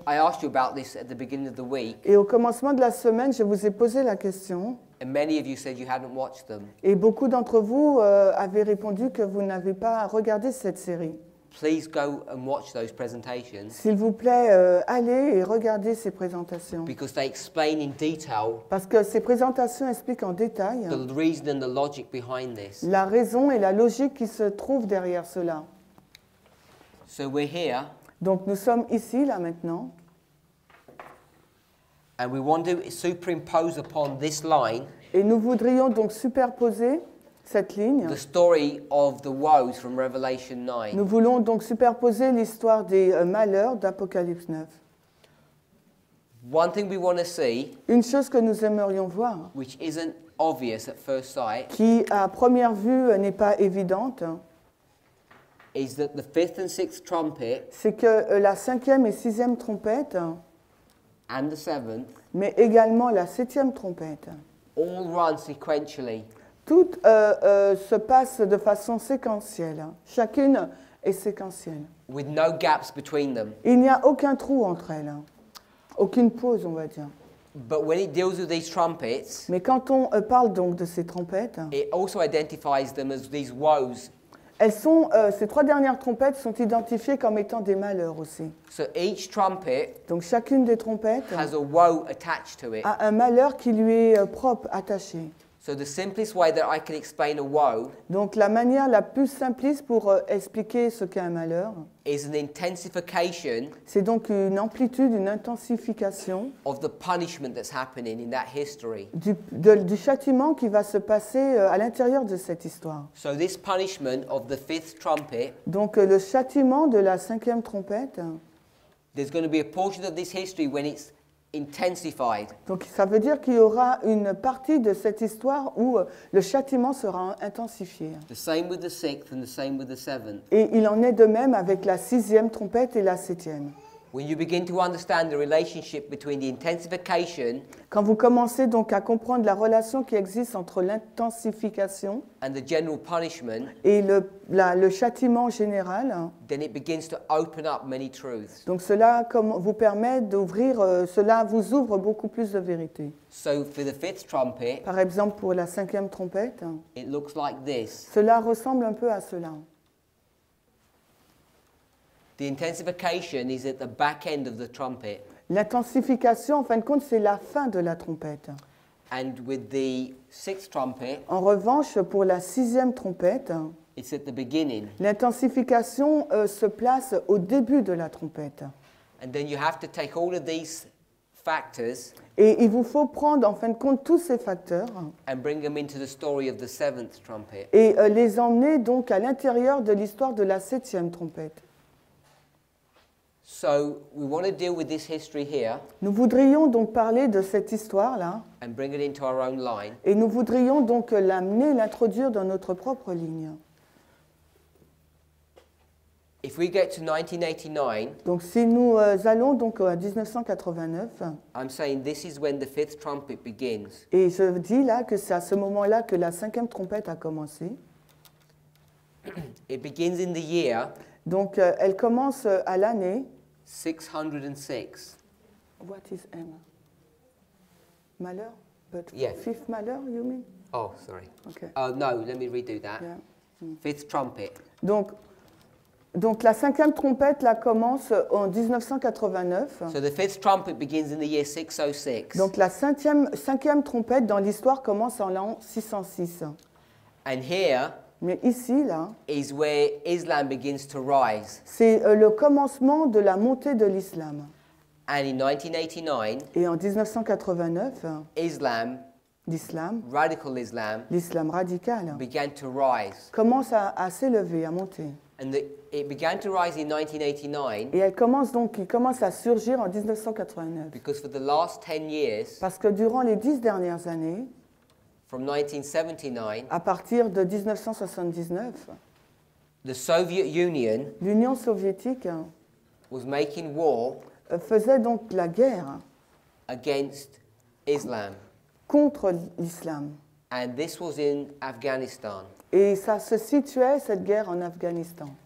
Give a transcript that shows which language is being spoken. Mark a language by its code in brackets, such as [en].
[en] I asked you about this at the beginning of the week. [fr] Et au commencement de la semaine, je vous ai posé la question. [en] And many of you said you hadn't watched them. [fr] Et beaucoup d'entre vous avez répondu que vous n'avez pas regardé cette série. [en] Please go and watch those presentations. [fr] S'il vous plaît, allez et regardez ces présentations. [en] Because they explain in detail. [fr] Parce que ces présentations expliquent en détail. [en] The reason and the logic behind this. [fr] La raison et la logique qui se trouvent derrière cela. [en] So we're here. [fr] Donc nous sommes ici là maintenant. [en] And we want to superimpose upon this line. [fr] Et nous voudrions donc superposer cette ligne. [en] The story of the woes from Revelation 9. [fr] Nous voulons donc superposer l'histoire des malheurs d'Apocalypse 9. [en] One thing we want to see. [fr] Une chose que nous aimerions voir. [en] Which isn't obvious at first sight. [fr] Qui à première vue n'est pas évidente. [en] Is that the fifth and sixth trumpet? [fr] C'est que la cinquième et sixième trompette. [en] And the seventh, [fr] mais également la septième trompette. [en] All run sequentially. [fr] Tout se passe de façon séquentielle. Chacune est séquentielle. [en] With no gaps between them. [fr] Il n'y a aucun trou entre elles. Aucune pause, on va dire. [en] But when it deals with these trumpets, [fr] mais quand on parle donc de ces trompettes, [en] it also identifies them as these woes. [fr] Elles sont, ces trois dernières trompettes sont identifiées comme étant des malheurs aussi. [en] So each trumpet, [fr] donc chacune des trompettes [en] has a woe attached to it. [fr] A un malheur qui lui est propre, attaché. [en] So the simplest way that I can explain a woe, [fr] donc la manière la plus simpliste pour expliquer ce qu'est un malheur [en] is an intensification, [fr] c'est donc une amplitude, une intensification [en] of the punishment that's happening in that history. [fr] Du châtiment qui va se passer à l'intérieur de cette histoire. [en] So this punishment of the fifth trumpet, [fr] donc le châtiment de la cinquième trompette, [en] there's going to be a portion of this history when it's intensified. [fr] Donc ça veut dire qu'il y aura une partie de cette histoire où le châtiment sera intensifié. [en] The same with the sixth and the same with the seventh. [fr] Et il en est de même avec la sixième trompette et la septième. [en] When you begin to understand the relationship between the intensification, [fr] quand vous commencez donc à comprendre la relation qui existe entre l'intensification [en] and the general punishment, [fr] et le châtiment général, [en] then it begins to open up many truths. [fr] Donc cela vous permet d'ouvrir, cela vous ouvre beaucoup plus de vérités. [en] So for the fifth trumpet, [fr] par exemple pour la cinquième trompette, [en] it looks like this. [fr] Cela ressemble un peu à cela. [en] The intensification is at the back end of the trumpet. [fr] L'intensification, en fin de compte, c'est la fin de la trompette. [en] And with the sixth trumpet, [fr] en revanche, pour la sixième trompette, [en] it's at the beginning. [fr] L'intensification se place au début de la trompette. [en] And then you have to take all of these factors. [fr] Et il vous faut prendre, en fin de compte, tous ces facteurs [en] and bring them into the story of the seventh trumpet. [fr] Et les emmener donc à l'intérieur de l'histoire de la septième trompette. [en] So we want to deal with this history here. [fr] Nous voudrions donc parler de cette histoire là. [en] And bring it into our own line. [fr] Et nous voudrions donc l'amener, l'introduire dans notre propre ligne. [en] If we get to 1989. [fr] Donc si nous allons donc à 1989. [en] I'm saying this is when the fifth trumpet begins. [fr] Et je dis là que c'est à ce moment-là que la cinquième trompette a commencé. [en] It begins in the year. [fr] Donc elle commence à l'année [en] 606. What is M? Malheur? But yeah. Fifth malheur, you mean? Oh, sorry. Okay. No, let me redo that. Yeah. Fifth trumpet. [fr] Donc la cinquième trompette la commence en 1989. [en] So the fifth trumpet begins in the year 606. [fr] Donc la cinquième trompette dans l'histoire commence en l'an 606. [en] And here. [fr] Mais ici, là, [en] is where Islam begins to rise. [fr] C'est le commencement de la montée de l'islam. [en] And in 1989, [fr] et en 1989, [en] l'islam, radical Islam, [fr] l'islam radical, [en] began to rise. [fr] Commence à s'élever, à monter. [en] And it began to rise in 1989. [fr] Et il commence à surgir en 1989. [en] Because for the last 10 years, [fr] parce que durant les 10 dernières années, [en] from 1979, [fr] à partir de 1979, [en] the Soviet Union, [fr] l'Union soviétique, [en] was making war, [fr] faisait donc la guerre, [en] against Islam, [fr] contre l'islam, [en] and this was in Afghanistan, [fr] et ça se situait cette guerre en Afghanistan.